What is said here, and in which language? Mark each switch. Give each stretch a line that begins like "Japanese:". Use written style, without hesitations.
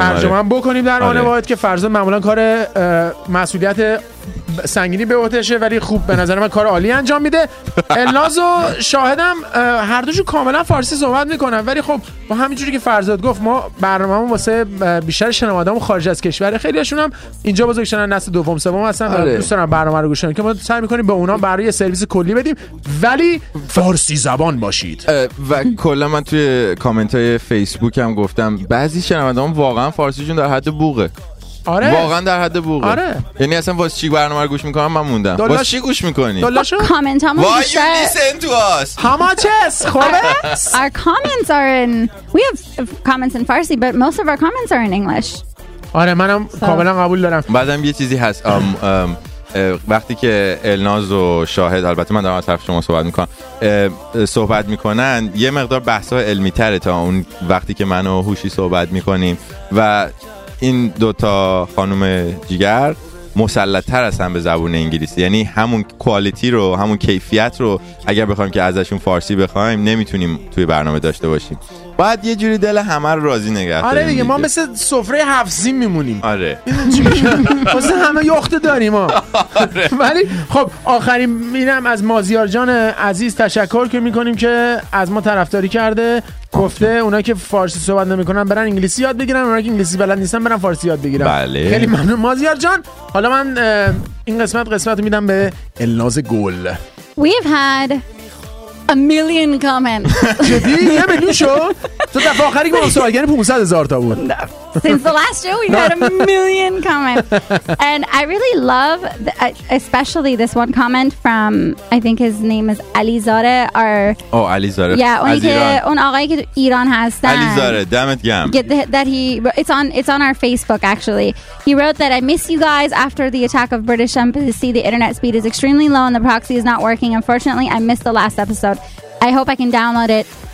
Persian: ترجمه هم بکنیم در آن واحد که فرزاد معمولا کار مسئولیت سنگینی به عهده‌شه ولی خوب به نظر من کار عالی انجام میده الناز و شاهدم هر دوشون کاملا فارسی صحبت میکنن ولی خب با همینجوری که فرزاد گفت ما برنامه‌مون واسه بیشتر شنوندهامون خارج از کشور خیلیشون هم اینجا بزرگشن نسل دوم سوم هستن دوست دارن برنامه رو گوش کنن که ما سعی میکنیم به اونا برای سرویس کلی بدیم ولی فارسی زبان باشید و کلا من توی کامنت‌های فیسبوک هم گفتم بعضی شنوندهام واقعا فارسیشون در حد بوقه آره واقعا در حد بوقه آره یعنی اصلا واسه چی برنامه رو گوش میکنم من موندم واسه چی گوش میکنی دلاشو کامنت هامو بیشتر
English: why you listen to us how much is
Persian: خوبه
English: our comments are in we have comments in Farsi but most of our comments are in English
Persian: آره منم کاملا قبول دارم بعدم یه چیزی هست وقتی که الناز و شاهد البته من دارم از طرف شما صحبت میکنن یه مقدار بحث های علمی تره تا اون وقتی که من و هوشی صحبت میکنیم و این دوتا خانم جیگر مسلط تر هستن به زبون انگلیسی یعنی همون کوالیتی رو همون کیفیت رو اگر بخوایم که ازشون فارسی بخوایم نمیتونیم توی برنامه داشته باشیم باید یه جوری دل همه رو راضی نگه داریم آره دیگه ما مثل سفره هفت سین میمونیم آره واسه همه یخته داریم آره ولی خب آخرین اینم از مازیار جان عزیز تشکر که میکنیم که از ما طرفداری کرده گفته اونایی که فارسی صحبت نمیکنن برن انگلیسی یاد بگیرن اونایی که انگلیسی بلد نیستن برن فارسی یاد بگیرن بله خیلی ممنون مازیار جان حالا من این قسمت میدم به الناز گل
English: we've had a million comments
Persian: جدی یه میلیون شد تو دفعه آخری که ما سوال کردیم 500 هزار تا بود
English: since the last show we had a million comments and I really love especially this one comment from I think his name is Alizade or oh Alizade yeah
Persian: اون آقایی که ایران هستن Alizade دمت گرم
English: that he it's on our Facebook actually he wrote that I miss you guys after the attack of British embassy the internet speed is extremely low and the proxy is not working unfortunately I missed the last episode I hope I can download it